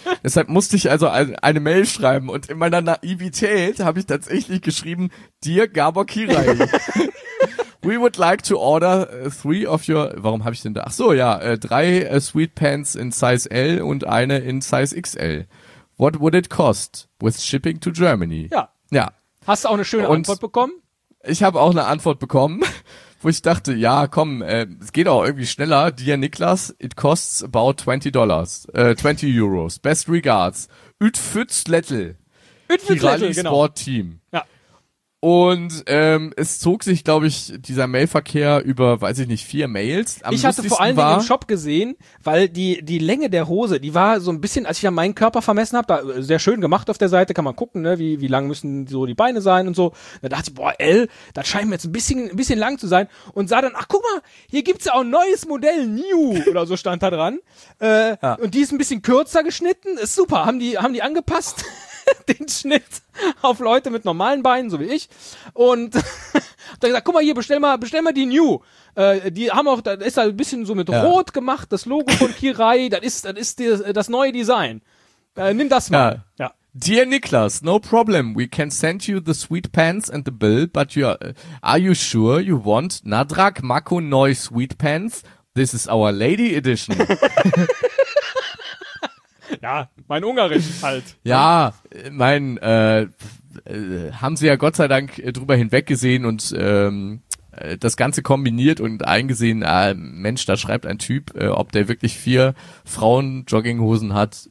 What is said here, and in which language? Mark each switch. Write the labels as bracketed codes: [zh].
[de] Deshalb musste ich also eine Mail schreiben und in meiner Naivität habe ich tatsächlich geschrieben, [en] dear Gábor Kirai, we would like to order 3 of your, [de] warum habe ich denn da, ach so, ja, [en] 3 Sweet Pants in Size L [de] und eine in Size XL. [en] What would it cost with shipping to Germany? [de] Ja. Ja. Hast du auch eine schöne Antwort bekommen? Ich habe auch eine Antwort bekommen, wo ich dachte, ja, komm, es geht auch irgendwie schneller. [en] Dear Niklas, it costs about $20. 20 Euros. Best regards. Utfützlettl, [de] genau. [en] Sport Team. [de] Ja. Und es zog sich, glaube ich, dieser Mailverkehr über, weiß ich nicht, 4 Mails. Am ich hatte vor allen war, Dingen im Shop gesehen, weil die Länge der Hose, die war so ein bisschen, als ich ja meinen Körper vermessen habe, da sehr schön gemacht auf der Seite, kann man gucken, ne, wie lang müssen so die Beine sein und so. Da dachte ich, boah, L, das scheint mir jetzt ein bisschen lang zu sein. Und sah dann, ach guck mal, hier gibt's ja auch ein neues Modell, New, oder so stand da dran. Und die ist ein bisschen kürzer geschnitten. Ist super, haben die angepasst. Den Schnitt auf Leute mit normalen Beinen, so wie ich. Und da gesagt, guck mal hier, bestell mal die New. Die haben auch, das ist halt ein bisschen so mit Rot gemacht, das Logo von Kirai, das ist das neue Design. Nimm das mal. Ja. Ja. [en] Dear Niklas, no problem. We can send you the sweet pants and the bill, but are you sure you want Nadrak Mako Noi sweet pants? This is our lady edition. [de] Ja, mein Ungarisch halt. Ja, mein, haben sie ja Gott sei Dank drüber hinweggesehen und das Ganze kombiniert und eingesehen, Mensch, da schreibt ein Typ, ob der wirklich 4 Frauen-Jogginghosen hat.